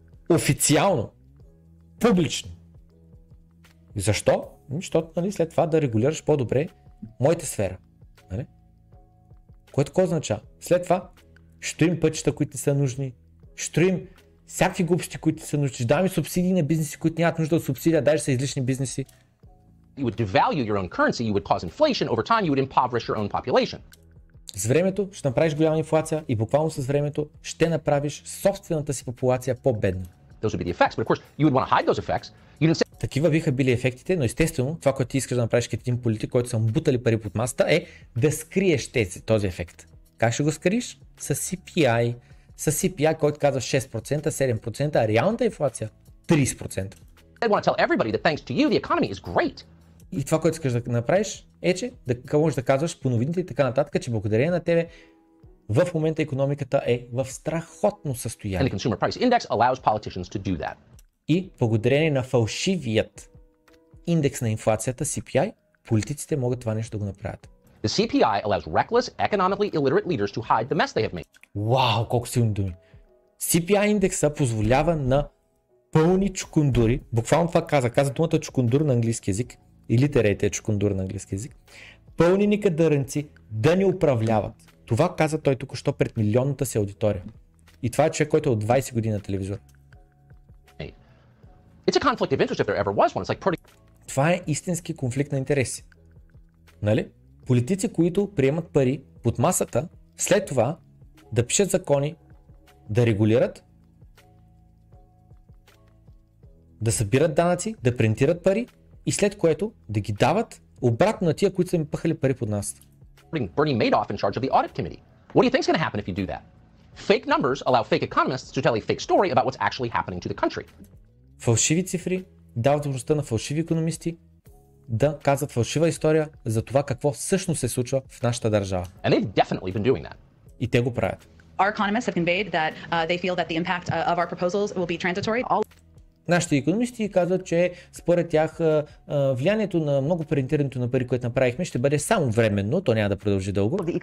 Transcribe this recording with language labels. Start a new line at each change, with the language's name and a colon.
Bulgarian: Официално. Публично. Защо? Защото, нали, след това да регулираш по-добре моята сфера. Нали? Което какво означава? След това штурим пътчета, които са нужни, штурим всякакви глупости, които са нужни, даваме субсидии на бизнеси, които нямат нужда от субсидия, даже са излишни бизнеси.
English: You would devalue your own currency, you would cause inflation, over time you would impoverish your own population.
Bulgarian: С времето ще направиш голяма инфлация и буквално с времето ще направиш собствената си популация по-бедна.
English: Those would be the effects, but of course you would want to hide those effects. You didn't say...
Bulgarian: Такива биха били ефектите, но естествено това, което ти искаш да направиш като един политик, който са бутали пари под масата, е да скриеш този ефект. Как ще го скриеш? С CPI. С CPI, който казва 6%, 7%, а реалната инфлация 30%.
English: They want to tell everybody that thanks to you the economy is great.
Bulgarian: И това, което искаш да направиш, е, че да можеш да казваш по новините и така нататък, че благодарение на тебе в момента икономиката е в страхотно състояние.
English: And the Consumer Price Index allows politicians to do that.
Bulgarian: И благодарение на фалшивият индекс на инфлацията, CPI, политиците могат това нещо да го направят.
English: The CPI allows reckless, economically illiterate leaders to hide the mess they have made.
Bulgarian: Вау, колко силни думи. CPI индекса позволява на пълни чукундури, буквално това каза думата чукундур на английски език, Illiterate е чукундур на английски език. Пълни ни кадърънци да ни управляват. Това каза той току-що пред милионната си аудитория. И това е човек, който е от 20 години на телевизор.
English: It's a conflict of interest if there ever was one. It's like pretty...
Bulgarian: Това е истински конфликт на интереси. Нали? Политици, които приемат пари под масата, след това да пишат закони, да регулират, да събират данъци, да принтират пари и след което да ги дават обратно на тия, които са ми пъхали пари под нас.
English: Bernie Madoff in charge of the audit committee. What do you think is going to happen if you do that? Fake numbers allow fake economists to tell a fake story about what's actually happening to the country.
Bulgarian: Фалшиви цифри дават възможността на фалшиви економисти да казват фалшива история за това какво всъщност се случва в нашата държава.
English: And they've definitely been doing that.
Bulgarian: И те го правят.
English: Our economists have conveyed that they feel that the impact of our proposals will be transitory.
Bulgarian: Нашите економисти казват, че според тях влиянието на много принтирането на пари, което направихме, ще бъде само временно, то няма да продължи дълго.